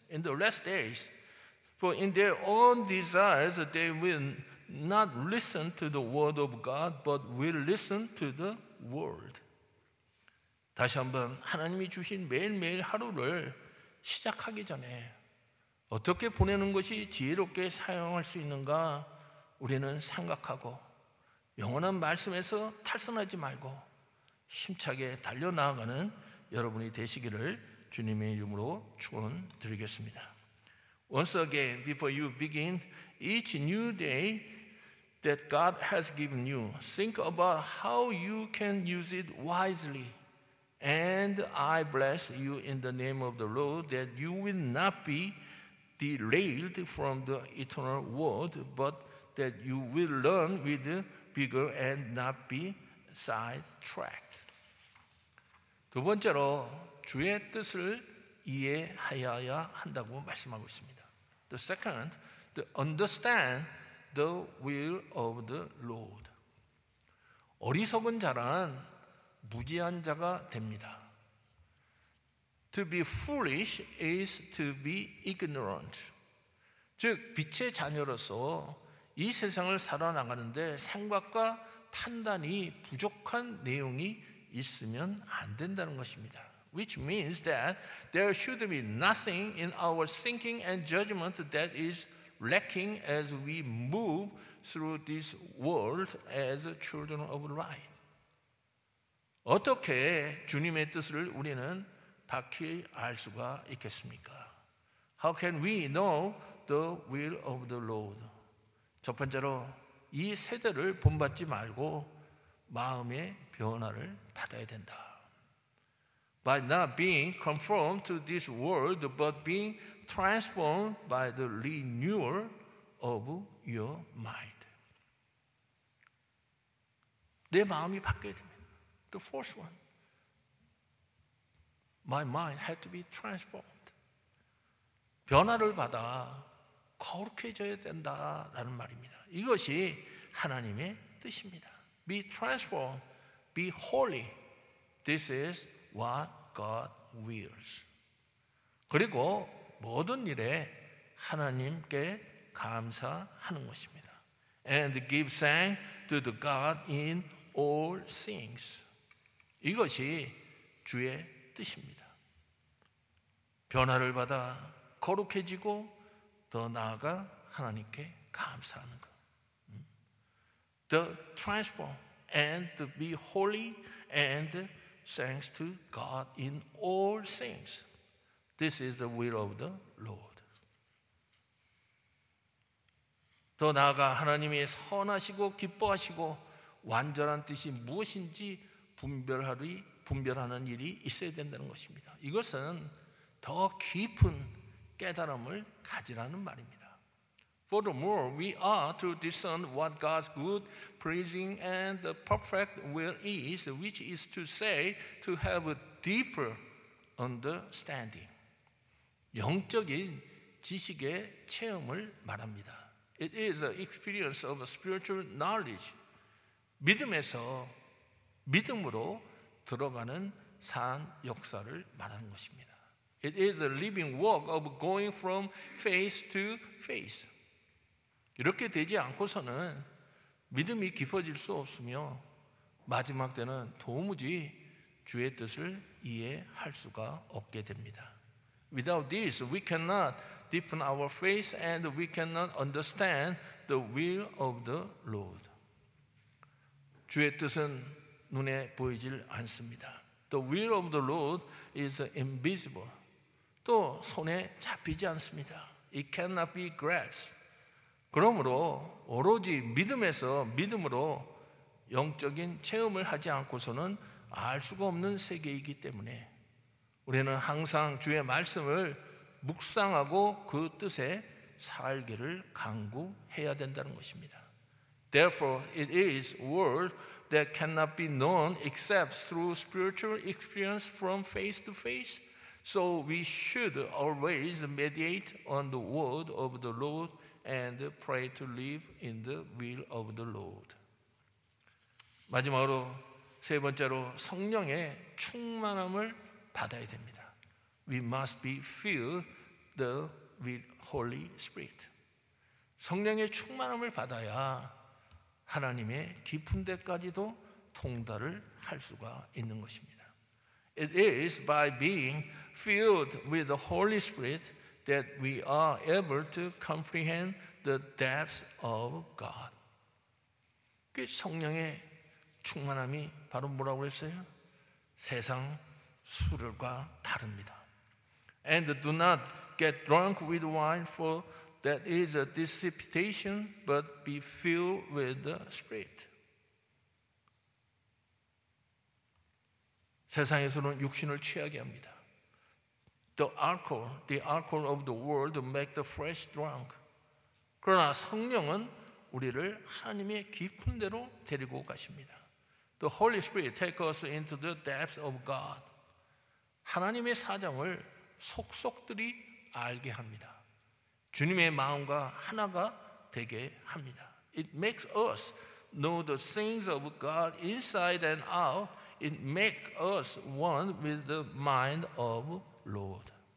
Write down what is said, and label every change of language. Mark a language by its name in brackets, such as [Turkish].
[English] In the last days, for in their own desires they will not listen to the word of God, but will listen to the world. [Korean] 다시 한번 하나님이 주신 매일매일 하루를 시작하기 전에 어떻게 보내는 것이 지혜롭게 사용할 수 있는가 우리는 생각하고 영원한 말씀에서 탈선하지 말고 힘차게 달려 나아가는 여러분이 되시기를 주님의 이름으로 축원드리겠습니다. [English] Once again, before you begin each new day that God has given you, think about how you can use it wisely. And I bless you in the name of the Lord that you will not be derailed from the eternal word, but that you will learn with vigor and not be sidetracked. [Korean] 두 번째로 주의 뜻을 이해하여야 한다고 말씀하고 있습니다. [English] The second, to understand the will of the Lord. [Korean] 어리석은 자란 무지한 자가 됩니다. [English] To be foolish is to be ignorant. [Korean] 즉 빛의 자녀로서 이 세상을 살아나가는데 생각과 판단이 부족한 내용이 있으면 안 된다는 것입니다. [English] Which means that there should be nothing in our thinking and judgment that is lacking as we move through this world as children of light. [Korean] 어떻게 주님의 뜻을 우리는 밝히 알 수가 있겠습니까? [English] How can we know the will of the Lord? [Korean] 첫 번째로 이 세대를 본받지 말고 마음의 변화를 받아야 된다. [English] By not being conformed to this world, but being transformed by the renewal of your mind. [Korean] 내 마음이 바뀌어야 됩니다. [English] The first one, my mind had to be transformed. [Korean] 변화를 받아 거룩해져야 된다라는 말입니다. 이것이 하나님의 뜻입니다. [English] Be transformed, be holy. This is what God wills. [Korean] 그리고 모든 일에 하나님께 감사하는 것입니다. [English] And give thanks to the God in all things. [Korean] 이것이 주의 뜻입니다. 변화를 받아 거룩해지고 더 나아가 하나님께 감사하는 것. [English] The transform and to be holy and thanks to God in all things. This is the will of the Lord. [Korean] 더 나아가 하나님이 선하시고 기뻐하시고 완전한 뜻이 무엇인지 분별하는 일이 있어야 된다는 것입니다. 이것은 더 깊은 깨달음을 가지라는 말입니다. [English] Furthermore, we are to discern what God's good, pleasing, and the perfect will is, which is to say, to have a deeper understanding. [Korean] 영적인 지식의 체험을 말합니다. [English] It is an experience of spiritual knowledge. [Korean] 믿음으로 들어가는 산 역사를 말하는 것입니다. [English] It is the living work of going from faith to faith. [Korean] 이렇게 되지 않고서는 믿음이 깊어질 수 없으며 마지막 때는 도무지 주의 뜻을 이해할 수가 없게 됩니다. [English] Without this, we cannot deepen our faith and we cannot understand the will of the Lord. [Korean] 주의 뜻은 눈에 보이질 않습니다. [English] The will of the Lord is invisible. [Korean] 또 손에 잡히지 않습니다. [English] It cannot be grasped. [Korean] 그러므로 오로지 믿음으로 영적인 체험을 하지 않고서는 알 수가 없는 세계이기 때문에 우리는 항상 주의 말씀을 묵상하고 그 뜻에 살기를 간구해야 된다는 것입니다. [English] Therefore, it is world that cannot be known except through spiritual experience from face to face. So we should always meditate on the word of the Lord and pray to live in the will of the Lord. [Korean] 마지막으로 세 번째로 성령의 충만함을 받아야 됩니다. [English] We must be filled with Holy Spirit. [Korean] 성령의 충만함을 받아야 하나님의 깊은 데까지도 통달을 할 수가 있는 것입니다. [English] It is by being filled with the Holy Spirit that we are able to comprehend the depths of God. [Korean] 그 성령의 충만함이 바로 뭐라고 그랬어요? 세상 술과 다릅니다. [English] And do not get drunk with wine, for that is a dissipation, but be filled with the Spirit. [Korean] 세상에서는 육신을 취하게 합니다. [English] The alcohol of the world make the flesh drunk. [Korean] 그러나 성령은 우리를 하나님의 깊은 데로 데리고 가십니다. [English] The Holy Spirit take us into the depths of God. [Korean] 하나님의 사정을 속속들이 알게 합니다. 주님의 마음과 하나가 되게 합니다. [English] It makes us know the things of God inside and out. It makes us one with the mind of Lord.